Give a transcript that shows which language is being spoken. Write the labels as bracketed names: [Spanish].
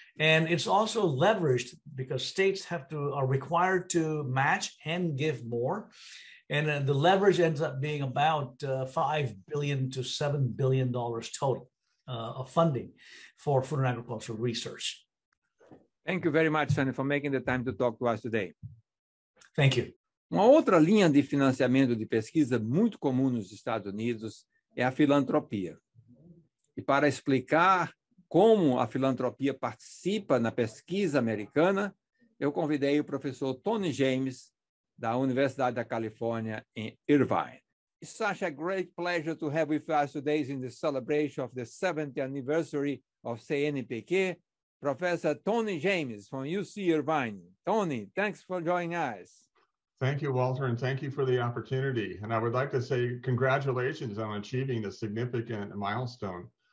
[English] And it's also leveraged because states are required to match and give more. And the leverage ends up being about $5 billion to $7 billion total of funding for food and agricultural research. Thank you very much, Sunny, for making the time to talk to us today. Thank you. [Portuguese] Uma outra linha de financiamento de pesquisa muito comum nos Estados Unidos é a filantropia. E para explicar como a filantropia participa na pesquisa americana, eu convidei o professor Tony James, da Universidade da Califórnia, em Irvine. [English] It's such a great pleasure to have with us today in the celebration of the 70th anniversary of CNPq, Professor Tony James from UC Irvine. Tony, thanks for joining us. Thank you, Walter, and thank you for the opportunity. And I would like to say congratulations on achieving this significant milestone.